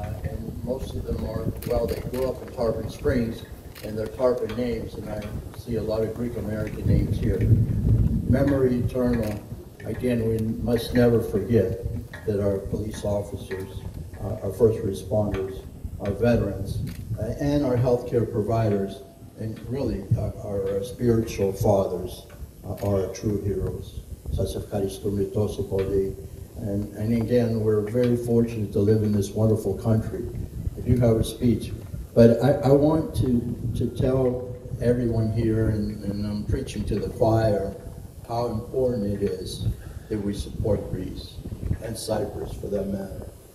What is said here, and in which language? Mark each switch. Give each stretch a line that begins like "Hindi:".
English: And most of them are, well, they grew up in Tarpon Springs, and they're Tarpon names, and I see a lot of Greek American names here. Memory eternal. Again, we must never forget that our police officers, our first responders, our veterans, and our healthcare providers, and really our spiritual fathers, are our true heroes.
Greek: Σας ευχαριστούμε τόσο πολύ.
English: And again, we're very fortunate to live in this wonderful country. I do have a speech, but I want to tell everyone here, and I'm preaching to the choir, how important it is that we support Greece and Cyprus, for that matter.